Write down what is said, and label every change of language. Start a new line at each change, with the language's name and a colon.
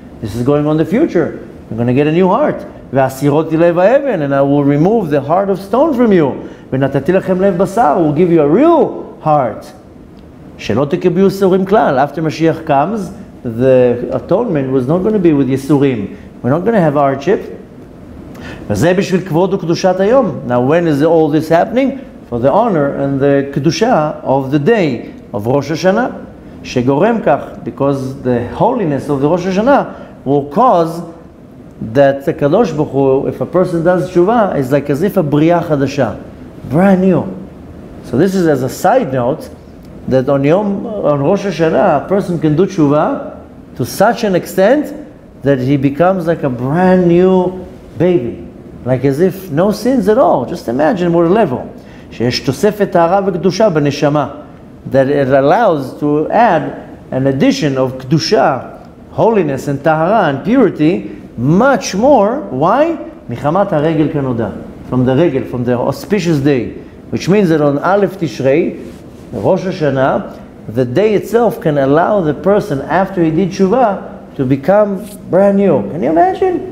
English: This is going on the future, you're going to get a new heart.
Hebrew: ואסירותי לב האבן,
English: and I will remove the heart of stone from you.
Hebrew: ונתתי לכם לב בשר,
English: I will give you a real heart.
Hebrew: שלא תקבלו יסורים כלל.
English: After Mashiach comes, the atonement was not going to be with יסורים. We're not going to have hardship.
Hebrew: וזה בשביל כבוד וקדושת היום.
English: Now when is all this happening? For the honor and the קדושה of the day of Rosh Hashanah.
Hebrew: שגורם כך,
English: because the holiness of the Rosh Hashanah will cause that the Kadosh Baruch Hu, if a person does תשובה, is like as if a
Hebrew: בריאה חדשה.
English: Brand new. So this is as a side note, that on Rosh Hashanah, a person can do tshuva to such an extent that he becomes like a brand new baby. Like as if no sins at all. Just imagine what a level.
Hebrew: שיש תוספת טהרה וקדושה בנשמה.
English: That it allows to add an addition of קדושה, holiness and טהרה and purity, much more. Why?
Hebrew: מחמת הרגל כנודע.
English: From the regel, from the auspicious day. Which means that on Aleph Tishrei, Rosh Hashanah, the day itself can allow the person after he did tshuva to become brand new. Can you imagine?